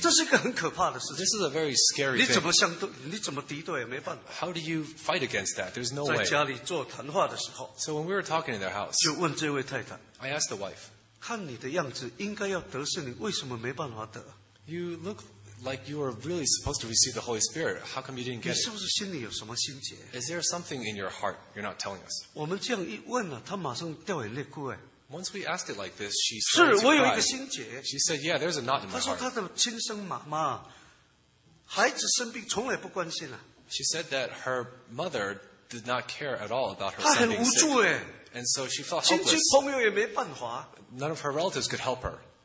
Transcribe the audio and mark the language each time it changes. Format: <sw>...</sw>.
<en>This is a very scary thing.</en> <zh>你怎么敌对,</zh> <en>how do you fight against that? There's no way. So when we were talking in their house, I asked the wife,</en> <zh>看你的样子应该要得圣灵，为什么没办法得？</zh> <en>You look like you are really supposed to receive the Holy Spirit. How come you didn't get it?</en> <zh>你是不是心里有什么心结？</zh> <en>Is there something in your heart you're not telling us?</en> <zh>我们这样一问啊, 她马上掉眼泪哭哎。</zh> <en>Once we asked it like this, she started to cry.</en> <zh>是我有一个心结。</zh> <en>She said, yeah, there's a knot in my heart.</en> <zh>她说她的亲生妈妈, 孩子生病从来不关心啊。</zh> <en>She said that her mother did not care at all about her son being sick.</en> <zh>她很无助哎。</zh> <en>And so she felt helpless.</en> <zh>亲戚朋友也没办法。</zh> <en>None of her relatives could help her.</en>